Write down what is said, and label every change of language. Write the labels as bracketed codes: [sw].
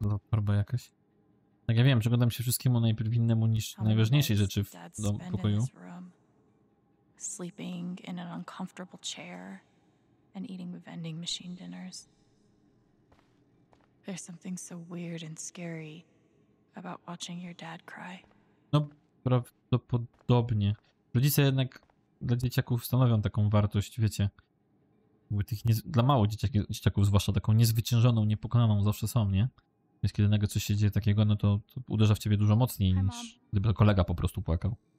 [pl] Farba jakaś. Tak, ja wiem, przyglądam się wszystkiemu najpierw innemu niż najważniejszej rzeczy w pokoju. [en] Sleeping in an uncomfortable chair and eating vending machine dinners. There's something so weird and scary about watching your dad cry. [pl] No, prawdopodobnie. Rodzice jednak dla dzieciaków stanowią taką wartość, wiecie. Tych dla mało dzieciaków zwłaszcza taką niezwyciężoną, niepokonaną zawsze są, nie? Więc kiedy nagle coś się dzieje takiego, no to uderza w ciebie dużo mocniej niż gdyby to kolega po prostu płakał.